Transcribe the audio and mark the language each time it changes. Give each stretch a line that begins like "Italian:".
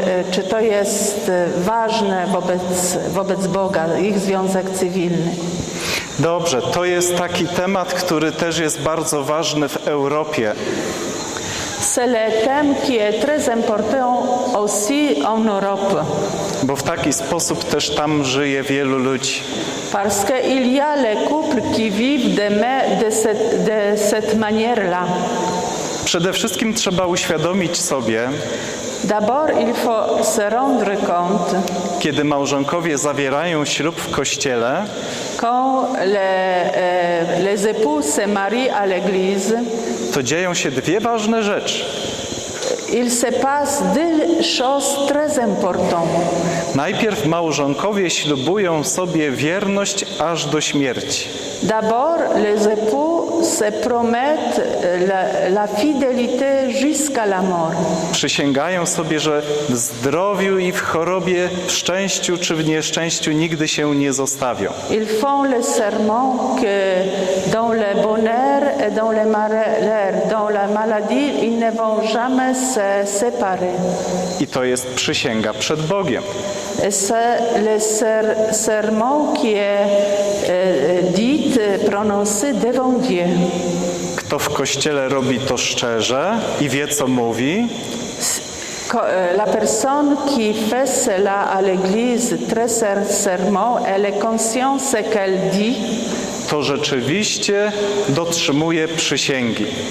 Polish: Czy to jest ważne wobec Boga, ich związek cywilny? Dobrze, to jest taki temat, który też jest bardzo ważny w Europie.
French: C'est le thème qui est très important aussi en Europe.
Polish: Bo w taki sposób też tam żyje wielu ludzi.
French: Parce qu'il y a les couples qui vivent de cette manière-là.
Polish: Przede wszystkim trzeba uświadomić sobie,
French: d'abord il faut se rendre compte,
Polish: kiedy małżonkowie zawierają ślub w kościele,
French: quand les époux se marient à l'église,
Polish: to dzieją się dwie ważne rzeczy.
French: Il se passe deux choses très importantes.
Polish: Najpierw małżonkowie ślubują sobie wierność aż do śmierci.
French: D'abord les époux se promettent la fidélité jusqu'à la mort.
Polish: Przysięgają sobie, że w zdrowiu i w chorobie, w szczęściu czy w nieszczęściu nigdy się nie zostawią.
French: Ils font le serment que dans le bonheur et dans le malheur, dans la maladie, ils ne vont jamais se séparer.
Polish: I to jest przysięga przed Bogiem.
French: C'est le serment qui est dit, prononcé devant Dieu.
Polish: Kto w kościele robi to szczerze i wie, co mówi?
French: La personne qui fait cela à l'église très sincèrement, elle est consciente de ce qu'elle dit.
Polish: to rzeczywiście dotrzymuje przysięgi.